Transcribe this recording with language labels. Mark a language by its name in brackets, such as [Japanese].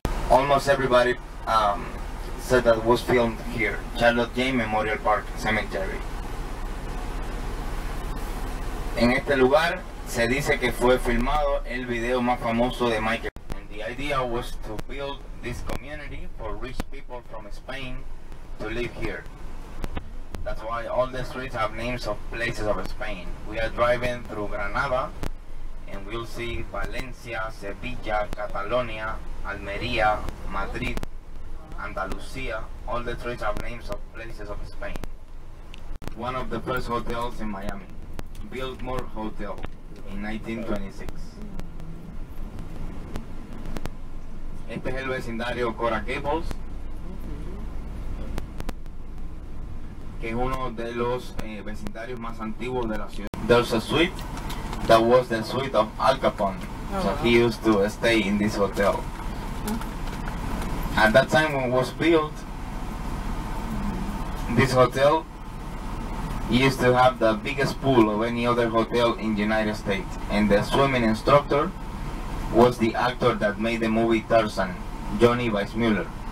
[English] Almost everybody said that was filmed here, Charlotte J. Memorial Park Cemetery. [Spanish] En este lugar se dice que fue filmado el video más famoso de Michael. [English] And the idea was to build this community for rich people from Spain to live here. That's why all the streets have names of places of Spain. We are driving through Granada and we'll see Valencia, Sevilla, Catalonia, Almería, Madrid, Andalucía, all the streets have names of places of Spain. One of the first hotels in Miami, Biltmore Hotel, in 1926. [Spanish] Este es el vecindario Cora Gables, que es uno de los vecindarios más antiguos de la ciudad. [English] There's a suite that was the suite of Al Capone, so he used to stay in this hotel. At that time when it was built, this hotel used to have the biggest pool of any other hotel in the United States. And the swimming instructor was the actor that made the movie Tarzan, Johnny Weissmuller.